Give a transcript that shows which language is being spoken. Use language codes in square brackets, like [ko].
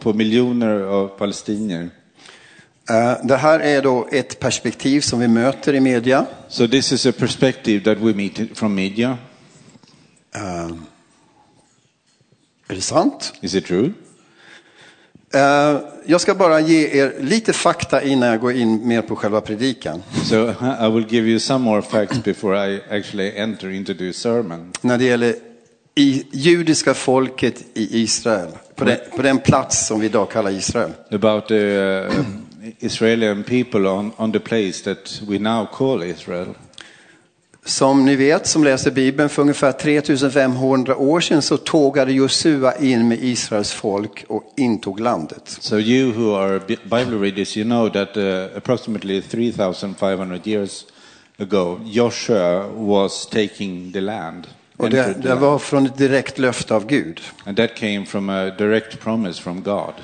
[sv] på miljoner av palestinier. Det här är då ett perspektiv som vi möter i media. [en] So this is a perspective that we meet from media. [sv] Är det sant? [en] Is it true? [sv] Jag ska bara ge er lite fakta innan jag går in mer på själva predikan. [en] So I will give you some more facts before I actually enter into the sermon. [sv] När det gäller judiska folket i Israel, på den plats som vi idag kallar Israel. [en] About the Israeli people on the place that we now call Israel. [sv] Som ni vet som läser Bibeln för ungefär 3500 år sedan så tågade Josua in med Israels folk och intog landet. [en] So you who are Bible readers you know that approximately 3500 years ago Joshua was taking the land. [sv] Och det var från ett direkt löfte av Gud. [en] And that came from a direct promise from God.